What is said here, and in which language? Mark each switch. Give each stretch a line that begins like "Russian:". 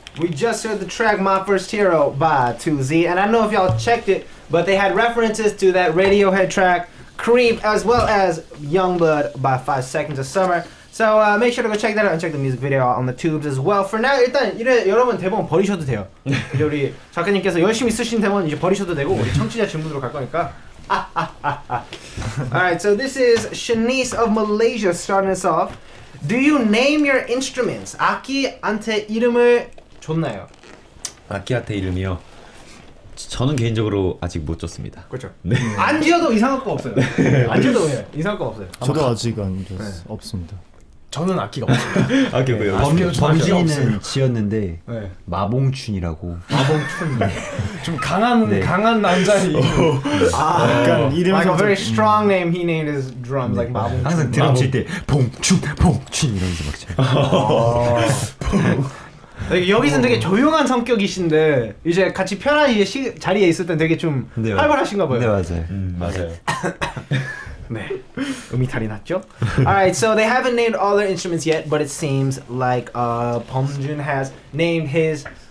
English: just heard the track My First Hero by 2Z, and I know if y'all checked it, but they had references to that Radiohead track Creep, as well as Youngblood by 5 Seconds of Summer. So make sure to go check that out and check the music video on the tubes as well. For now,
Korean: 일단 이래 여러분 대본 버리셔도 돼요. 이제 우리 작가님께서 열심히 쓰신 대본 이제 버리셔도 되고 우리 청취자 질문으로 갈 거니까.
English: Alright, so this is Shanice of Malaysia starting us off. Do you name your instruments?
Korean: 악기한테 이름을 줬나요? 악기한테 이름이요? 저는 개인적으로 아직 못 줬습니다. 그렇죠. 네. 안 지어도 이상할 거 없어요. 안 지어도 이상할 거 없어요. 저도 아직 안 지었어요. 네. 없습니다. 저는 악기가 없습니다. 아, 그고요. 범진이는 지었는데 네. 마봉춘이라고. 마봉춘. 네. 좀 강한 네. 강한 남자의 이름. 아, 약간 이름이
English: like a very strong name. He named his drums 네. like 마봉춘.
Korean: 항상 드럼 칠 때 봉춘 봉춘 이러면서 막 쳐요. 여기서는 되게 조용한 성격이신데 이제 같이 편하게 자리에 있을 땐 되게 좀 네, 활발하신가 봐요. 네, 맞아요. 맞아요. 네. 음이 달이 났죠?
English: Alright, so they haven't named all their instruments yet, but it seems like 범준 has named his...